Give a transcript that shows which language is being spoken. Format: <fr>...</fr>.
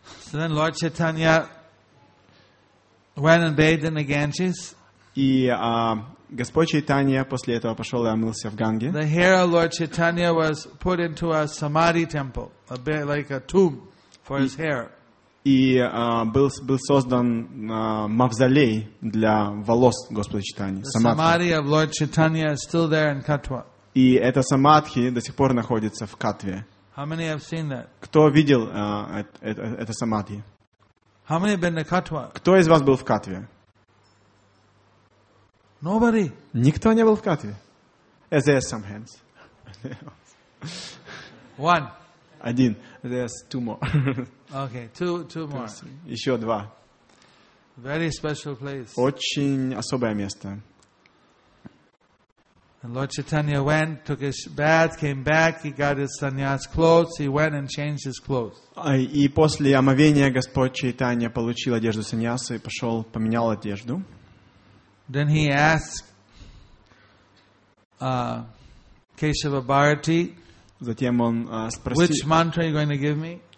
<en>So then Lord Chaitanya went and bathed in the Ganges.</en> <ru>И Господь Чайтанья после этого пошел и омылся в Ганге.</ru> <en>The hair of Lord Chaitanya was put into a samadhi temple, a bit like a tomb for his hair.</en> <ru>И был создан мавзолей для волос Господа Чайтаньи.</ru> <en>Samadhi of Lord Chaitanya is still there in Katwa.</en> <ru>И эта самадхи до сих пор находится в Катве.</ru> <en>How many have seen that?</en> <ru>Кто видел это самадхи?</ru> <en>How many have been to Katwa?</en> <ru>Кто из вас был в Катве?</ru> <en>Nobody.</en> <ru>Никто не был в Катве.</ru> <en>Is there some hands? One.</en> <ru>Один.</ru> <en>There's two more. Okay, two more.</en> <ru>Еще два.</ru> <en>Very special place.</en> <ru>Очень особое место.</ru> <en>And Lord Chaitanya went, took his bath, came back, he got his sannyas clothes, he went and changed his clothes.</en> <ru>И после омовения Господь Чайтанья получил одежду саньяса и пошел, поменял одежду.</ru> <en>Then he asked Keshava Bharati,</en> <ru>затем он спросил,</ru> <en>which mantra are you going to give me?</en>